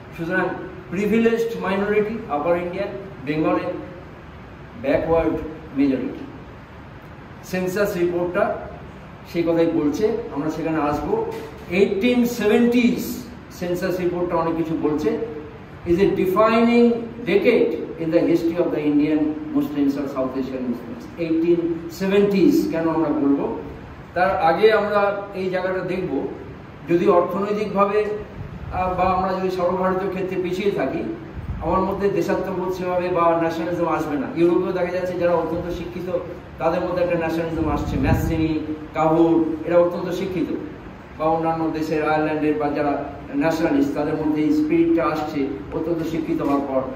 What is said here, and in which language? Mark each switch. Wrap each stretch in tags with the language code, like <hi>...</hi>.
<bn>সুতরাং privileged minority আপার India, বেঙ্গলে backward majority. Census রিপোর্টটা সেই কথাই বলছে, আমরা সেখানে আসবো। 1870s সেন্সাস রিপোর্টটা অনেক কিছু বলছে,</bn> <en>Is a defining decade in the history of the Indian Muslims or South Asian Muslims.</en> <bn>1870s, কেন আমরা বলবো? তার আগে আমরা এই জায়গাটা দেখব, যদি অর্থনৈতিকভাবে বা আমরা যদি সর্বভারতীয় ক্ষেত্রে পিছিয়ে থাকি, আমার মধ্যে দেশাত্মবোধভাবে বা ন্যাশনালিজম আসবে না। ইউরোপেও দেখা যাচ্ছে যারা অত্যন্ত শিক্ষিত তাদের মধ্যে একটা ন্যাশনালিজম আসছে, ম্যাসিনি কাহুর এরা অত্যন্ত শিক্ষিত, বা অন্যান্য দেশের আয়ারল্যান্ডের বা যারা ন্যাশনালিস্ট তাদের মধ্যে এই স্পিরিটটা আসছে অত্যন্ত শিক্ষিত হওয়ার পর।</bn>